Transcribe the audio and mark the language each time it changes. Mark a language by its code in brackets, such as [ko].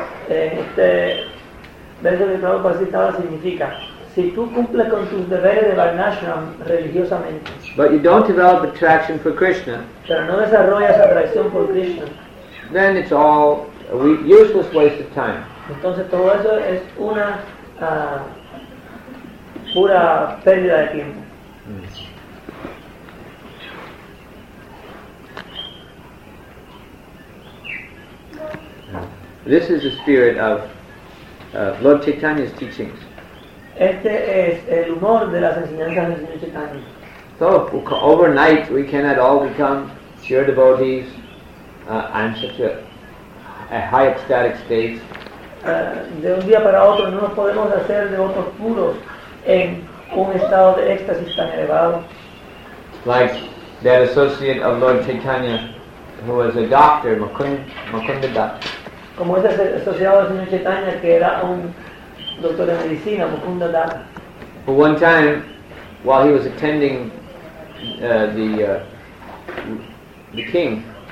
[es] este verso de Prabhupada citaba significa, si tú cumples con tus deberes de Varnashram religiosamente, [en] but you don't develop attraction for Krishna, [es] pero no desarrollas atracción por Krishna, [en] then it's all a useless waste of time. [es] Entonces todo eso es una pura pérdida de tiempo. [en] This is the spirit of Lord Chaitanya's teachings. [es] Este es el humor de las enseñanzas del Señor Chaitanya. [en] So overnight we cannot all become pure devotees and such a high ecstatic state. [es] De un día para otro no nos podemos hacer devotos puros en un estado de éxtasis tan elevado. [en] Like that associate of Lord Chaitanya, who was a doctor, Mukunda. [es] Como ese asociado del Señor Chaitanya que era un doctor de medicina, Mukunda Das. [en] But one time, while he was attending the king.